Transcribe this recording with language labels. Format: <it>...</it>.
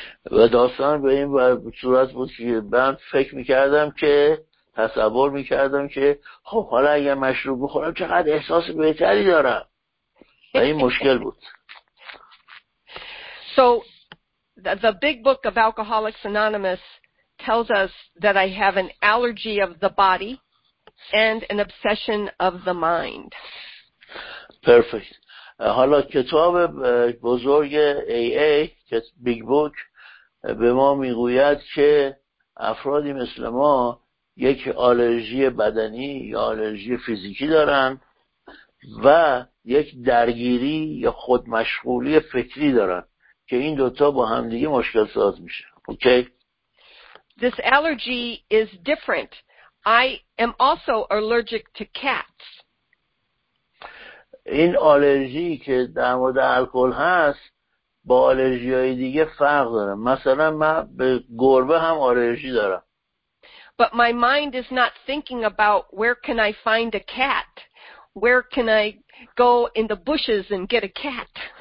<fa>و داستان به این صورت بود که من فکر میکردم که تصور میکردم که خب حالا اگر مشروب بخورم چقدر احساس بهتری دارم و این مشکل بود.</fa> <en>So the big book of Alcoholics Anonymous tells us that I have an allergy of the body and an obsession of the mind. Perfect.</en> <fa>حالا کتاب بزرگ AA Big Book به ما میگوید که افرادی مثل ما یک آلرژی بدنی یا آلرژی فیزیکی دارن و یک درگیری یا خودمشغولی فکری دارن که این دوتا با هم دیگه مشکل ساز میشه. اوکی؟</fa> <en>This allergy is different. I am also allergic to cats.</en> <fa>این آلرژی که در مورد الکل هست با آلرژی های دیگه فرق داره. مثلا من به گربه هم آلرژی دارم.</fa> <en>But my mind is not thinking about where can I find a cat? Where can I go in the bushes and get a cat?</en>